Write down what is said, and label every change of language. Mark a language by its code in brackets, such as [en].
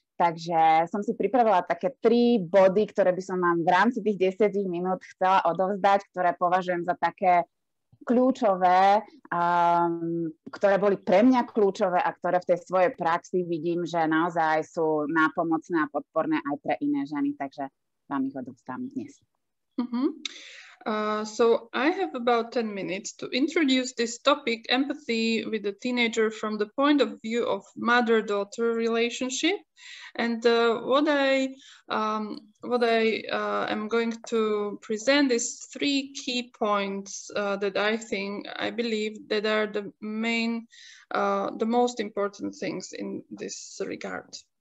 [sk] Takže som si pripravila také tri body, ktoré by som vám v rámci tých 10 minút chcela odovzdať, ktoré považujem za také kľúčové, ktoré boli pre mňa kľúčové a ktoré v tej svojej praxi vidím, že naozaj sú nápomocné a podporné aj pre iné ženy. Takže vám ich odovzdám dnes. Mm-hmm. [en] So I have about 10 minutes to introduce this topic, empathy with a teenager from the point of view of mother-daughter relationship. And what I am going to present is three key points that I believe that are the main, the most important things in this regard.